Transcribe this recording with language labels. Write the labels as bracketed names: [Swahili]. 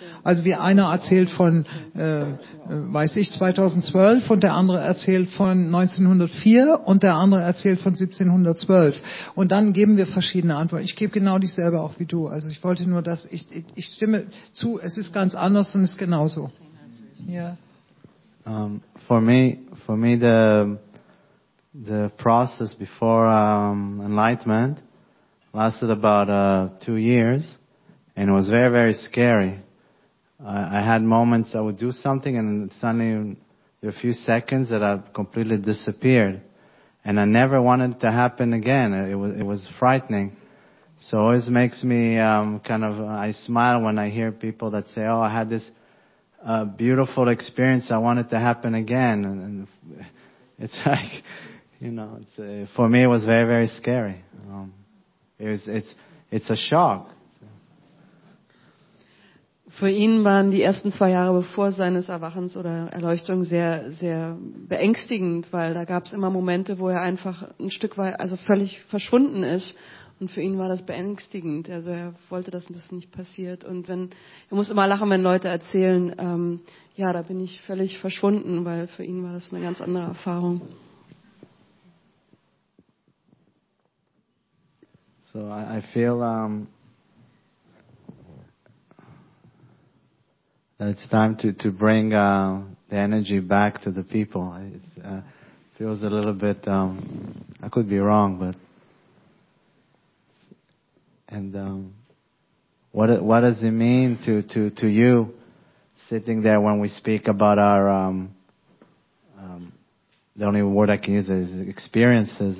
[German] Also wie einer erzählt von, 2012 und der andere erzählt von 1904 und der andere erzählt von 1712. Und dann geben wir verschiedene Antworten. Ich gebe genau dieselbe auch wie du. Also ich wollte nur, dass ich stimme zu, es ist ganz anders und es ist genauso. Ja. [English] For me the process before enlightenment lasted about 2 years and it was very, very scary. I had moments I would do something and suddenly there were a few seconds that I completely disappeared. And I never wanted it to happen again. It was frightening. So it always makes me I smile when I hear people that say, oh, I had this beautiful experience. I want it to happen again. And it's like, you know, for me it was very, very scary. It's a shock. [German] Für ihn waren die ersten 2 Jahre bevor seines Erwachens oder Erleuchtung sehr, sehr beängstigend, weil da gab es immer Momente, wo er einfach ein Stück weit, also völlig verschwunden ist. Und für ihn war das beängstigend. Also er wollte, dass das nicht passiert. Und wenn, er muss immer lachen, wenn Leute erzählen, ja, da bin ich völlig verschwunden, weil für ihn war das eine ganz andere Erfahrung. [English] So I feel that it's time to bring the energy back to the people. It feels a little bit I could be wrong, but what does it mean to you sitting there when we speak about our the only word I can use is experiences.